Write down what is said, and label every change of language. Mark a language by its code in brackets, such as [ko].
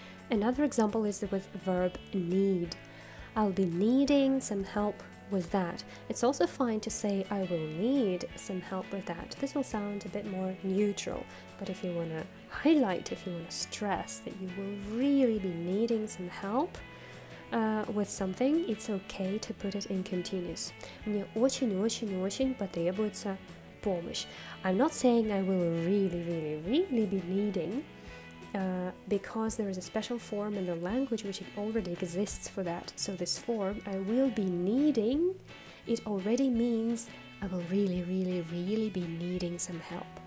[en] Another example is with verb need. I'll be needing some help with that. It's also fine to say I will need some help with that. This will sound a bit more neutral, but if you want to highlight, if you want to stress that you will really be needing some help with something, it's okay to put it in continuous. [ru] Мне очень-очень-очень потребуется помощь. [en] I'm not saying I will really, really, really be needing, because there is a special form in the language which it already exists for that. So this form, I will be needing, it already means I will really, really, really be needing some help.